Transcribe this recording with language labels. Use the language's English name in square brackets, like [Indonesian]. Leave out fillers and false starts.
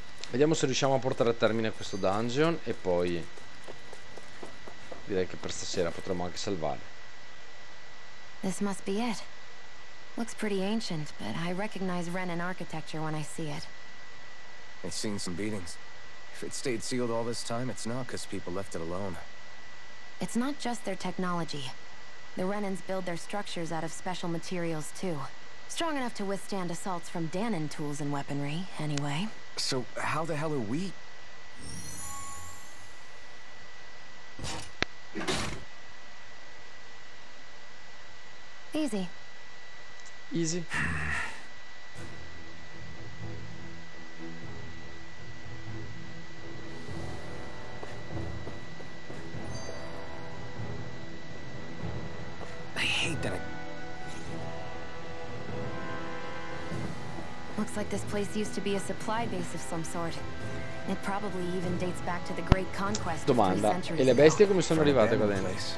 [Italian] Vediamo se riusciamo a portare a termine questo dungeon e poi direi che per stasera potremo anche salvare. [English] This must be it. Looks pretty ancient, but I recognize Renan architecture when I see it. It's seen some beatings. If it stayed sealed all this time, it's not because people left it alone. It's not just their technology. The Renans build their structures out of special materials too. Strong enough to withstand assaults from Danon tools and weaponry, anyway. So, how the hell are we? Easy. Easy. I hate that I... Looks like this place used to be a supply base of some sort. It probably even dates back to the Great Conquest. [Italian] Domanda: e le bestie come sono arrivate qua dentro?